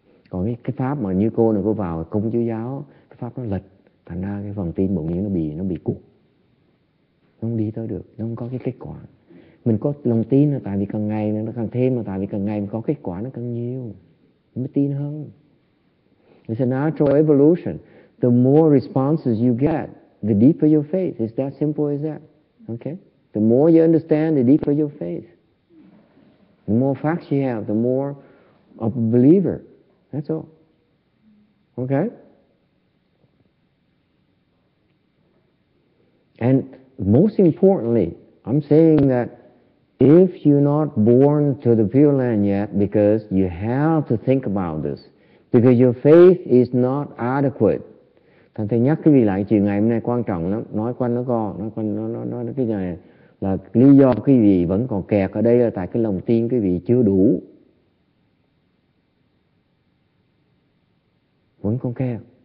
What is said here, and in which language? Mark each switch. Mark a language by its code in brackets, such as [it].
[vi] Còn cái pháp mà như cô này cô vào cung chú giáo, cái pháp nó lệch. Thành ra cái phần tin bỗng nhiên nó bị cụt. Nó không đi tới được, nó không có cái kết quả. Mình có lòng tin là tại vì càng ngày nó càng thêm, mà tại vì càng ngày mình có kết quả nó càng nhiều. Mình mới tin hơn. [en] It's a natural evolution. The more responses you get, the deeper your faith. It's that simple as that. Okay? The more you understand, the deeper your faith. The more facts you have, the more of a believer. That's all. Okay? And most importantly, I'm saying that if you're not born to the Pure Land yet, because you have to think about this, because your faith is not adequate. [vi] Thành thầy nhắc cái vị lại chuyện ngày hôm nay quan trọng lắm. Nói quanh nó cái này là lý do cái vị vẫn còn kẹt ở đây là tại cái lòng tin cái vị chưa đủ. Vẫn còn kẹt.